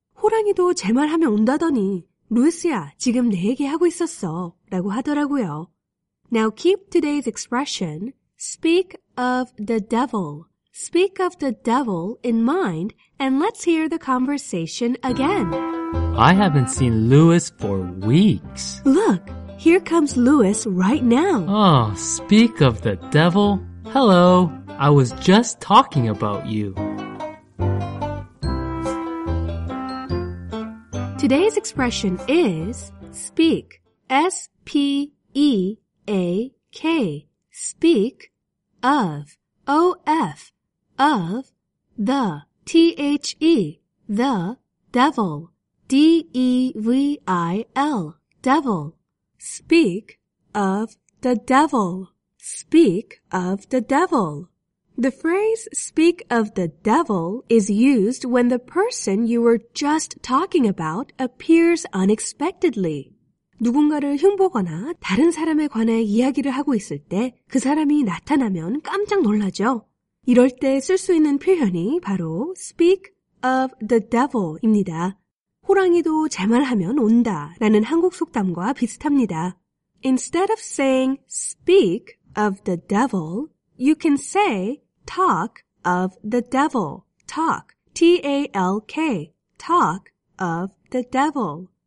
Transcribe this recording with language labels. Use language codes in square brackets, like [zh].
[ko] 호랑이도 제 말하면 온다더니 루이스야, 지금 내 얘기하고 있었어 라고 하더라고요. [en] Now keep today's expression, speak of the devil. Speak of the devil in mind, and let's hear the conversation again. I haven't seen Lewis for weeks. Look, here comes Lewis right now. Oh, speak of the devil. Hello, I was just talking about you. Today's expression is speak, S-P-E. A-K, speak of, O-F, of the, T-H-E, the devil, D-E-V-I-L, devil, speak of the devil, speak of the devil. The phrase speak of the devil is used when the person you were just talking about appears unexpectedly. [ko] 누군가를 흉보거나 다른 사람에 관해 이야기를 하고 있을 때 그 사람이 나타나면 깜짝 놀라죠. 이럴 때 쓸 수 있는 표현이 바로 [en] speak of the devil [ko] 입니다. 호랑이도 제 말하면 온다 라는 한국 속담과 비슷합니다. [en] Instead of saying speak of the devil, you can say talk of the devil. Talk, T-A-L-K, talk of the devil.